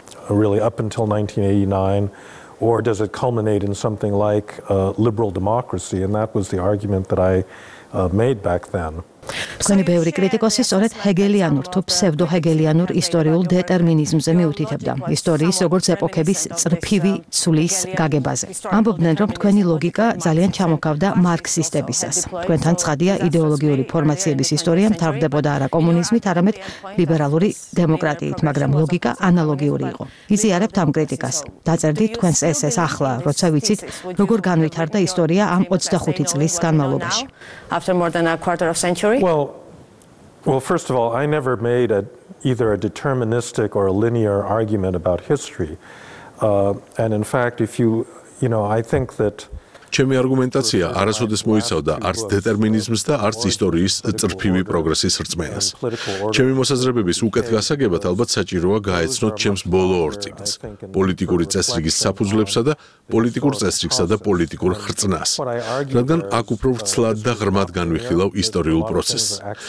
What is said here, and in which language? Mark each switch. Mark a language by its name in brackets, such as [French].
[English] Really up until 1989 or does it culminate in something like liberal democracy, and that was the argument that I made back then. [Georgian] თქვენი ბევრი კრიტიკოსი სწორედ ჰეგელიანურ თუ ფსევდოჰეგელიანურ ისტორიულ დეტერმინიზმზე მიუთითებდა ისტორიის როგორც ეპოქების წრფივი ცვლის გაგებაზე. ამბობდნენ, რომ თქვენი ლოგიკა ძალიან ჩამოკავდა მარქსისტებისას. თქვენთან ცხადია, იდეოლოგიური ფორმაციების ისტორია მთავრდებოდა არა კომუნიზმით, არამედ ლიბერალური დემოკრატიით, მაგრამ ლოგიკა ანალოგიური იყო. იზიარებთ ამ კრიტიკას. დაწერდით თქვენს ესეს ახლა, როცა ვიცით, როგორ განვითარდა ისტორია ამ 25 წლის განმავლობაში. [English] After more than a quarter of century? Well, first of all, I never made either a deterministic or a linear argument about history. And in fact, if you know, I think that [Georgian] ჩემი არგუმენტაცია არასოდეს მოიცავდა არც დეტერმინიზმს და არც ისტორიის წრფივი პროგრესის რწმენას. ჩემი მოსაზრებების უკეთ გასაგებად ალბათ საჭიროა გაეცნოთ ჩემს ბოლო ორ წიგნს, პოლიტიკური წესრიგის საფუძვლებსა და პოლიტიკურ წესრიგსა და პოლიტიკურ ხრწნას, რადგან აქ უფრო ვრცლად და ღრმად განვიხილავ ისტორიულ პროცესს.